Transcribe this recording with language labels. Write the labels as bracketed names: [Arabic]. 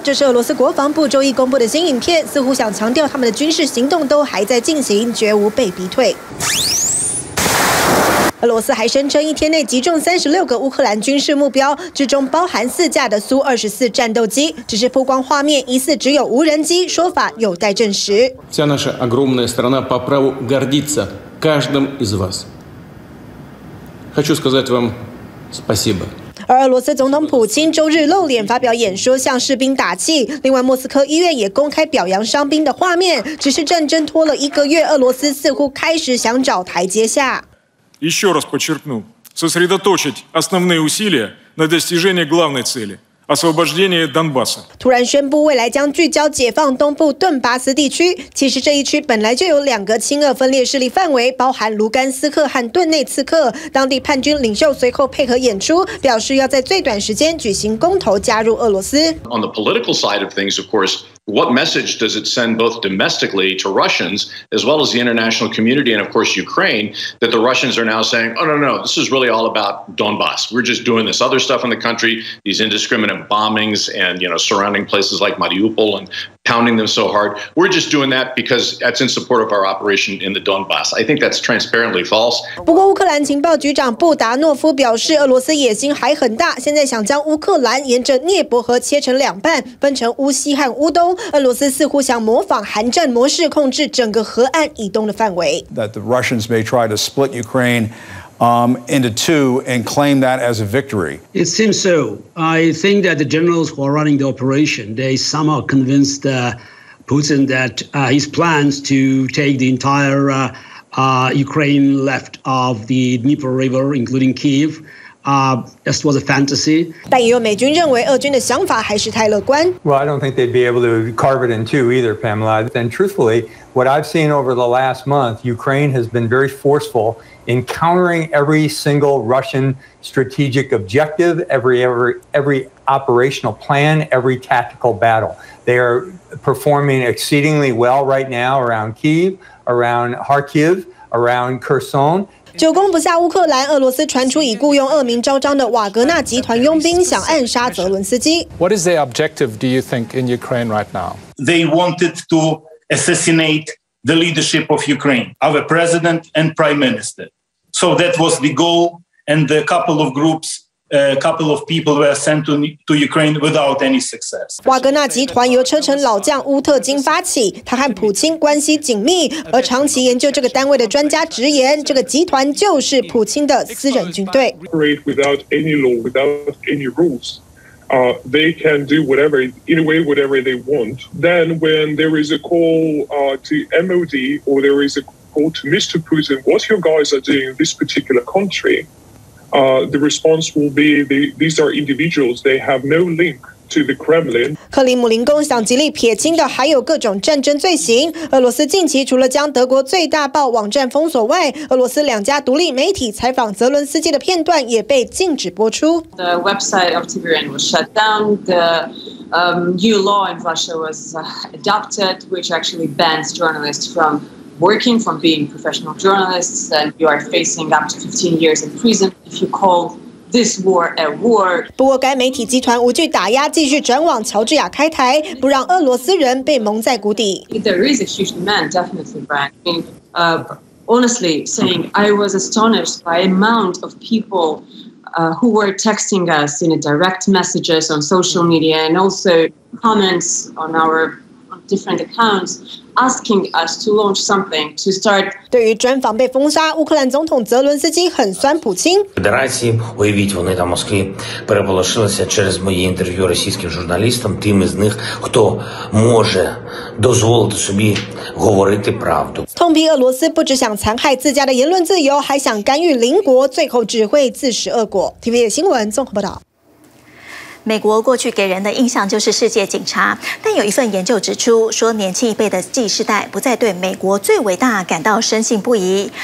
[Chinese] 这是俄罗斯国防部周一公布的新影片，似乎想强调他们的军事行动都还在进行，绝无被逼退。俄罗斯还声称一天内击中36个乌克兰军事目标，之中包含4架的苏-24战斗机，只是曝光画面疑似只有无人机，说法有待证实。 [Russian] Вся наша огромная страна по праву гордится каждым из вас. Хочу сказать вам спасибо. [Chinese] 而俄罗斯总统普京周日露脸发表演说，向士兵打气。另外，莫斯科医院也公开表扬伤兵的画面。只是战争拖了一个月，俄罗斯似乎开始想找台阶下。 [Russian] Еще раз подчеркну, сосредоточить основные усилия на достижении главной цели освобождении Донбасса. [Chinese] 突然宣布未来将聚焦解放东部顿巴斯地区。其实这一区本来就有两个亲俄分裂势力范围，包含卢甘斯克和顿内茨克。当地叛军领袖随后配合演出，表示要在最短时间举行公投加入俄罗斯。 [English] On the political side of things, of course. What message does it send both domestically to Russians as well as the international community and of course Ukraine that the Russians are now saying, oh, no, no, this is really all about Donbass. We're just doing this other stuff in the country, these indiscriminate bombings and, you know, surrounding places like Mariupol and pounding them so hard. We're just doing that because that's in support of our operation in the Donbass. I think that's transparently false. [Chinese] 不过乌克兰情报局长布达诺夫表示俄罗斯野心还很大，现在想将乌克兰沿着涅伯河切成两半，分成乌西和乌东。俄罗斯似乎想模仿韩战模式，控制整个河岸以东的范围。 [English] That the Russians may try to split Ukraine, into two and claim that as a victory. It seems so. I think that the generals who are running the operation, they somehow convinced Putin that his plans to take the entire Ukraine left of the Dnieper River, including Kyiv. Just was a fantasy. [Chinese] 但也有美军认为俄军的想法还是太乐观。 [English] Well, I don't think they'd be able to carve it in two either, Pamela. And truthfully, what I've seen over the last month, Ukraine has been very forceful in countering every single Russian strategic objective, every operational plan, every tactical battle. They are performing exceedingly well right now around Kyiv, around Kharkiv, around Kherson. [Chinese] 久攻不下乌克兰，俄罗斯传出已雇佣恶名昭彰的瓦格纳集团佣兵，想暗杀泽伦斯基。 [English] What is their objective, do you think, in Ukraine right now? They wanted to assassinate the leadership of Ukraine, our president and prime minister. So that was the goal, and a couple of groups. A couple of people were sent to Ukraine without any success. [Chinese] 瓦格纳集团由车臣老将乌特金发起，他和普京关系紧密，而长期研究这个单位的专家直言，这个集团就是普京的私人军队。 [English] Operate without any law, without any rules. They can do whatever, in a way, whatever they want. Then, when there is a call to MOD or there is a call to Mr. Putin, what your guys are doing in this particular country? The response will be these are individuals. They have no link to the Kremlin. [Chinese] 克里姆林宫想极力撇清的还有各种战争罪行。俄罗斯近期除了将德国最大报网站封锁外，俄罗斯两家独立媒体采访泽伦斯基的片段也被禁止播出。 [English] The website of TVN was shut down. The new law in Russia was adopted, which actually bans journalists from. Working from being professional journalists, and you are facing up to 15 years in prison if you call this war a war. [Chinese] 不过，该媒体集团无惧打压，继续转往乔治亚开台，不让俄罗斯人被蒙在鼓底。 [English] There is a huge demand, definitely, Brian. I mean, honestly, saying I was astonished by the amount of people who were texting us in a direct messages on social media and also comments on our different accounts. Asking us to launch something to start. [Chinese] 对于专访被封杀，乌克兰总统泽伦斯基很酸普京。 [Ukrainian] Федерації, уявіть, вони там в Москві переполошилися через моє інтерв'ю російським журналістам, тим із них, хто може дозволити собі говорити правду. [Chinese] 痛批俄罗斯不只想残害自家的言论自由，还想干预邻国，最后只会自食恶果。 TVN 新闻综合报道。美国过去给人的印象就是世界警察，但有一份研究指出，说年轻一辈的 Z 世代不再对美国最伟大感到深信不疑。